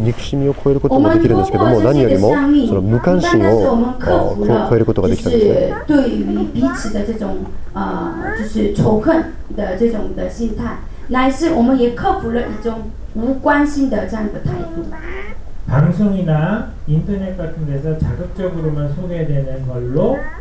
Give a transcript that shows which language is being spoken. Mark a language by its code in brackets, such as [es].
[ja] 憎しみを超えることもできるんですけども、何よりもその無関心を超えることができたんですね。 [zh] 对于彼此的这种就是仇恨的这种的心态，乃是我们也克服了一种无关心的这样的态度。 [ko] 방송이나인터넷같은데서자극적으로만소개되는걸로